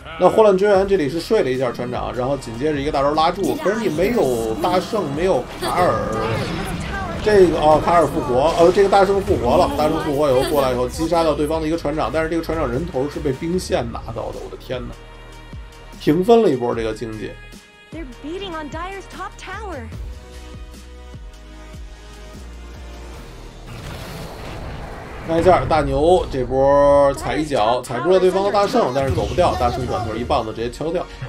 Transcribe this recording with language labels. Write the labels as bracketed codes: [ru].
[zh] 那霍乱军员这里是睡了一下船长，然后紧接着一个大招拉住，可是你没有大圣没有卡尔，这个哦，卡尔复活，这个大圣复活了，大圣复活以后过来以后击杀掉对方的一个船长，但是这个船长人头是被兵线拿到的，我的天哪，平分了一波这个经济。 [en] They're beating on Dire's top tower. [zh] 看一下大牛这波踩一脚踩住了对方的大圣，但是走不掉，大圣转头一棒子直接敲掉。